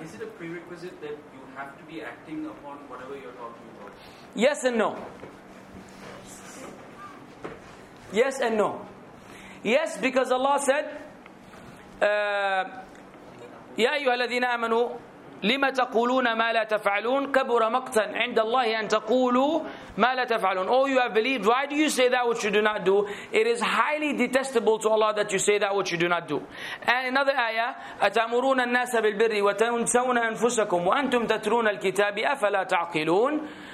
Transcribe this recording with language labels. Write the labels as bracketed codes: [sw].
[en] Is it a prerequisite that you have to be acting upon whatever you're talking about? Yes and no. Yes and no. Yes, because Allah said, [ar] يَا أَيُّهَا الَّذِينَ آمَنُوا لما تقولون ما لا تفعلون كبر مقتا عند الله أن تقولوا ما لا تفعلون. [en] Oh, you have believed. Why do you say that which you do not do? It is highly detestable to Allah that you say that which you do not do. And another ayah, [ar] أتأمرون الناس بالبر وتنسون أنفسكم وأنتم تترون الكتاب أفلا تعقلون.